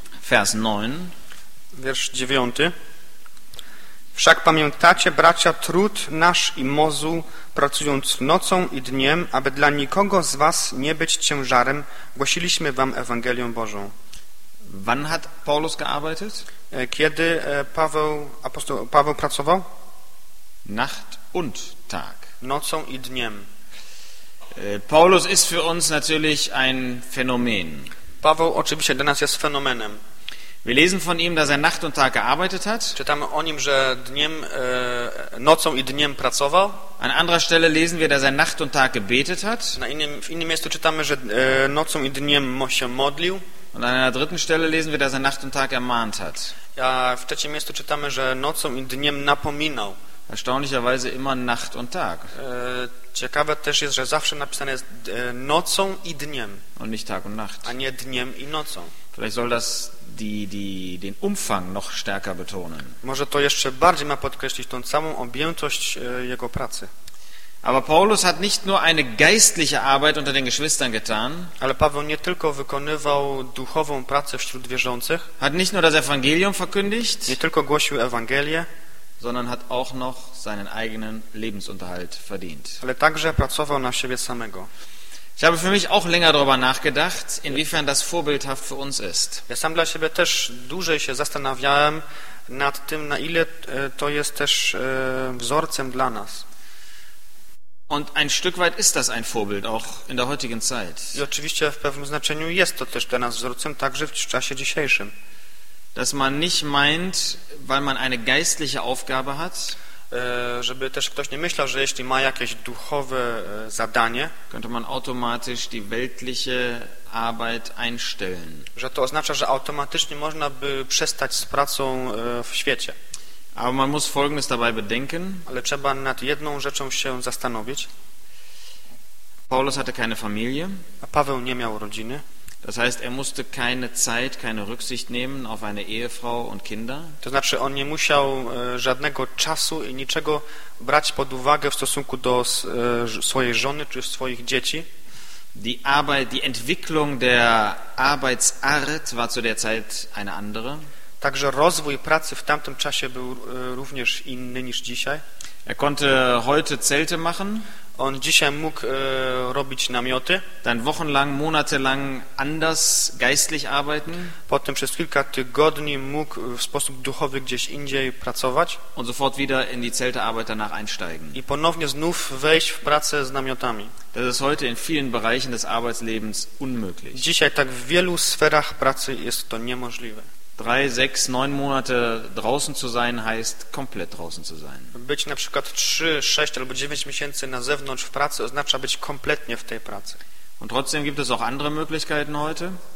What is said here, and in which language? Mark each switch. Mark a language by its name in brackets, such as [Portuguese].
[German] Vers 9. [Polish] Wiersz 9. Wszak pamiętacie, bracia, trud nasz i mozu, pracując nocą i dniem, aby dla nikogo z was nie być ciężarem, głosiliśmy wam Ewangelię Bożą. [German] Wann hat Paulus gearbeitet? [Polish] Kiedy apostoł Paweł pracował? [German] Nacht und Tag. [Polish] Nocą i dniem. [German] Paulus ist für uns natürlich ein Phänomen. [Polish] Paweł oczywiście dla nas jest fenomenem. [German] Wir lesen von ihm, dass er Nacht und Tag gearbeitet hat. [Polish] Czytamy o nim, że nocą i dniem pracował. [German] An anderer Stelle lesen wir, dass er Nacht und Tag gebetet hat. [Polish] W innym miejscu czytamy, że nocą i dniem się modlił. [German] Und an einer dritten Stelle lesen wir, dass er Nacht und Tag ermahnt hat. [Polish] Ja, w trzecim miejscu czytamy, że nocą i dniem napominał. [German] Erstaunlicherweise immer Nacht und Tag. [Polish] Ciekawe też jest, że zawsze napisane jest nocą i dniem. [German] Und nicht Tag und Nacht. [Polish] A nie dniem i nocą. [German] Vielleicht soll das den Umfang noch stärker betonen. [Polish] Może to jeszcze bardziej ma podkreślić tą całą objętość jego pracy. [German] Aber Paulus hat nicht nur eine geistliche Arbeit unter den Geschwistern getan. [Polish] Ale Paweł nie tylko wykonywał duchową pracę wśród wierzących. [German] Hat nicht nur das Evangelium verkündigt. [Polish] Nie tylko głosił Ewangelię. [German] Sondern hat auch noch seinen eigenen Lebensunterhalt verdient. [Polish] Ale także pracował na siebie samego. [German] Ich habe für mich auch länger darüber nachgedacht, inwiefern das vorbildhaft für uns ist. [Polish] Ja sam dla siebie też dłużej się zastanawiałem nad tym, na ile to jest też wzorcem dla nas. [German] Und ein Stück weit ist das ein Vorbild auch in der heutigen Zeit. [Polish] I oczywiście w pewnym znaczeniu jest to też dla nas wzorcem, także w czasie dzisiejszym. [German] Dass man nicht meint, weil man eine geistliche Aufgabe hat, [Polish] żeby też ktoś nie myślał, że jeśli ma jakieś duchowe zadanie, [German] könnte man automatisch die weltliche Arbeit einstellen. [Polish] Że to oznacza, że automatycznie można by przestać z pracą w świecie. [German] Aber man muss Folgendes dabei bedenken. [Polish] Ale trzeba nad jedną rzeczą się zastanowić. [German] Paulus hatte keine Familie. [Polish] A Paweł nie miał rodziny. [German] Das heißt, er musste keine Zeit, keine Rücksicht nehmen auf eine Ehefrau und Kinder. [Polish] To znaczy, on nie musiał żadnego czasu i niczego brać pod uwagę w stosunku do swojej żony czy swoich dzieci. [German] Die Arbeit, die Entwicklung der Arbeitsart war zu der Zeit eine andere. [Polish] Także rozwój pracy w tamtym czasie był również inny niż dzisiaj. [German] Er konnte heute Zelte machen. [Polish] On dzisiaj mógł robić namioty. [German] Dann wochenlang, monatelang anders geistlich arbeiten. [Polish] Potem przez kilka tygodni mógł w sposób duchowy gdzieś indziej pracować. [German] Und sofort wieder in die Zeltearbeit danach einsteigen. [Polish] I ponownie znów wejść w pracę z namiotami. [German] Das ist heute in vielen Bereichen des Arbeitslebens unmöglich. [Polish] Dzisiaj tak w wielu sferach pracy jest to niemożliwe. [German] 3, 6, 9 Monate draußen zu sein heißt komplett draußen zu sein. [Polish] Być na przykład 3, 6 albo 9 miesięcy na zewnątrz w pracy oznacza być kompletnie w tej pracy. [German] Und trotzdem gibt es auch andere Möglichkeiten heute.